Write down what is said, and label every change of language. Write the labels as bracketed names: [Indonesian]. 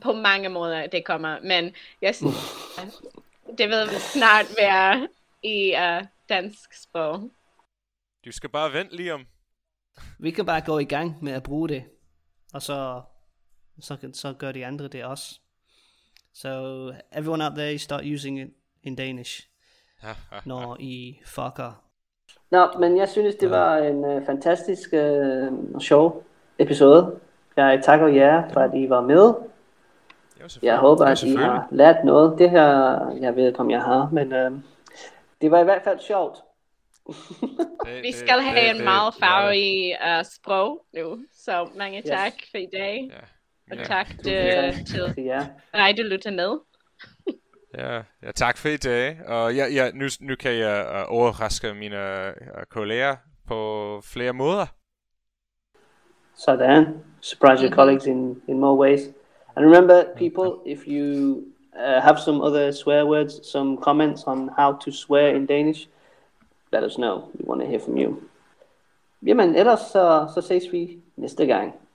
[Danish] På mange måder det kommer, men jeg synes, det vil snart være i dansk sprog. Du skal bare vente, Liam. Vi kan bare gå i gang med at bruge det, og så gør de andre det også. [English] So everyone out there, you start using it in Danish, [Danish] når I fucker. Nå, men jeg synes, det var en fantastisk show. Episode. Jeg takker jer for, at I var med. Jeg håber, at I har lært noget. Det her, jeg ved ikke, om jeg har, men det var i hvert fald sjovt. Vi skal have en meget farlig sprog nu, så mange tak for i dag. Yeah. Og tak til... Nej, du lytter med. Ja, ja, tak for i dag. Og ja, nu kan jeg overraske mine kolleger på flere måder. [English] Sådan. Surprise your colleagues in more ways. And remember, people, if you have some other swear words, some comments on how to swear in Danish, let us know. We want to hear from you. [Danish] Jamen, ellers så ses vi næste gang.